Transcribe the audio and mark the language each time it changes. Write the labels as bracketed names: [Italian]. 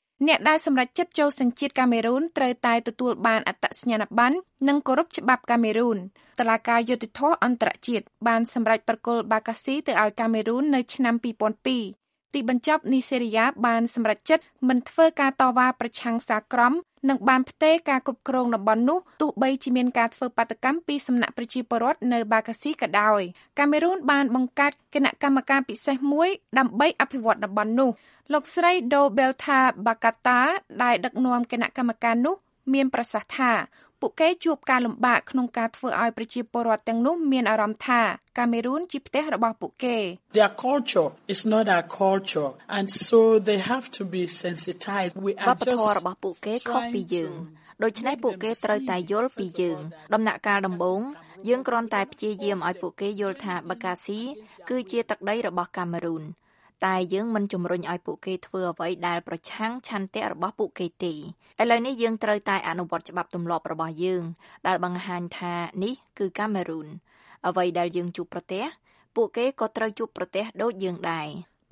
[Khmer] អ្នកដែលសម្រេចចិត្តចូលសញ្ជាតិកាមេរូនត្រូវតែទទួលបានអត្តសញ្ញាណប័ណ្ណនិងគោរពច្បាប់កាមេរូនតុលាការយុត្តិធម៌អន្តរជាតិបានសម្រេចប្រគល់បាកាស៊ីទៅឲ្យកាមេរូននៅឆ្នាំ2002ទីបញ្ចប់នីសេរីយ៉ាបានសម្រេចចិត្តមិនធ្វើការតវ៉ាប្រឆាំងសារក្រមនិងបានផ្ទេរការគ្រប់គ្រងតំបន់នោះទោះបីជាមានការធ្វើបាតកម្មពីសំណាក់ប្រជាពលរដ្ឋនៅបាកាស៊ីក៏ដោយកាមេរូនបានបង្កើតគណៈកម្មការពិសេសមួយដើម្បីអភិវឌ្ឍតំបន់នោះ លោកស្រីដូបេលថាបាកាតាដែលដឹកនាំគណៈកម្មការនោះមានប្រសាសន៍ថាពួកគេជួបការលំបាកក្នុងការធ្វើឲ្យប្រជាពលរដ្ឋទាំងនោះមានអារម្មណ៍ថាកាមេរូនជាផ្ទះរបស់ពួកគេ [English] Their culture is not our culture and so they have to be sensitized we are just [Khmer] របស់ពួកគេខុសពីយើងដូច្នេះពួកគេត្រូវតែយល់ពីយើងដំណាក់កាលដំបូងយើងគ្រាន់តែព្យាយាមឲ្យពួកគេយល់ថាបាកាស៊ីគឺជាទឹកដីរបស់កាមេរូនតែយើងមិនជំរុញឲ្យពួកគេធ្វើអ្វីដែលប្រឆាំងឆន្ទៈរបស់ពួកគេទេឥឡូវនេះយើងត្រូវតែអនុវត្តច្បាប់ទម្លាប់របស់យើងដែលបង្ហាញថានេះគឺកាមេរូនអ្វីដែលយើងជួបប្រទេសពួកគេក៏ត្រូវជួបប្រទេសដូចយើងដែរ